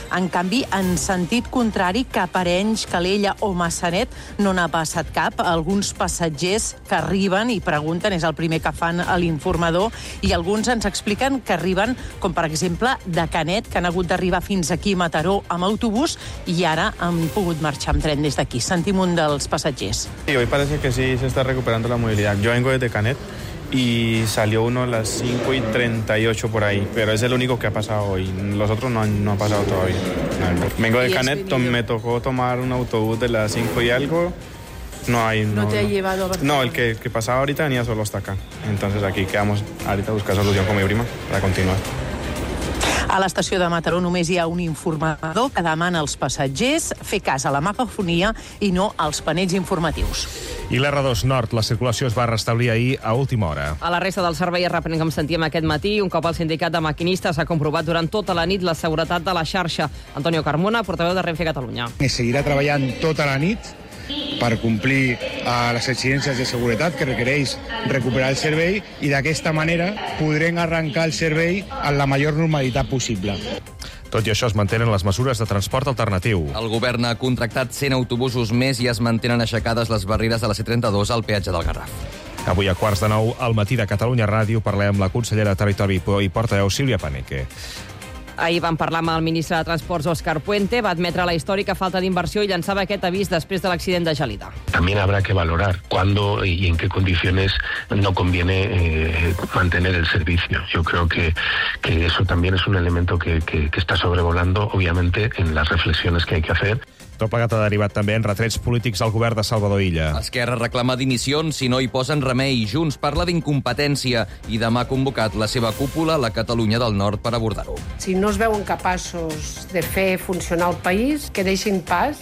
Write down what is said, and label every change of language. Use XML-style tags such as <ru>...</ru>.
<ca>En canvi, en sentit contrari, cap a Arenys, Calella o Maçanet no n'ha passat cap. Alguns passatgers que arriben i pregunten, és el primer que fan a l'informador, i alguns ens expliquen que arriben, com per exemple, de Canet, que han hagut d'arribar fins aquí a Mataró amb autobús i ara han pogut marxar amb tren des d'aquí. Sentim un dels passatgers.</ca> <es>Sí, hoy parece que sí se está recuperando la movilidad. Yo vengo desde Canet y salió uno a las 5:38 por ahí, pero es el único que ha pasado hoy. Los otros no han pasado todavía. Vengo de Canet, me tocó tomar un autobús de las 5 y algo. No hay. ¿No te ha llevado a Barcelona? No, el que pasaba ahorita venía solo hasta acá. Entonces aquí quedamos ahorita a buscar solución con mi prima para continuar.</es> <ca>A l'estació de Mataró només hi ha un informador que demana als passatgers fer cas a la megafonia i no als panells informatius. I l'R2 Nord, la circulació es va restablir ahir a última hora. A la resta del servei, arrepenent com sentíem aquest matí, un cop el sindicat de maquinistes ha comprovat durant tota la nit la seguretat de la xarxa. Antonio Carmona, portaveu de Renfe Catalunya. I seguirà treballant tota la nit per complir les exigències de seguretat que requereix recuperar el servei i d'aquesta manera podrem arrencar el servei amb la major normalitat possible. Tot i això, es mantenen les mesures de transport alternatiu. El govern ha contractat 100 autobusos més i es mantenen aixecades les barreres de la C32 al peatge del Garraf. Avui a quarts de nou, al matí de Catalunya Ràdio, parlem amb la consellera de Territori i portaveu Sílvia Paneque. Ahir vam parlar amb el ministre de Transports, Òscar Puente, va admetre la històrica falta d'inversió i llançava aquest avís després de l'accident de Gelida.</ca> <es>També habrá que valorar cuándo y en qué condiciones no conviene mantener el servicio. Yo creo que eso también es un elemento que está sobrevolando, obviamente, en las reflexiones que hay que hacer.</es> <ca>Tot plegat ha derivat també en retrets polítics al govern de Salvador Illa. Esquerra reclama dimissions si no hi posen remei. Junts parla d'incompetència i demà ha convocat la seva cúpula a la Catalunya del Nord per abordar-ho. Si no es veuen capaços de fer funcionar el país, que deixin pas.</ca>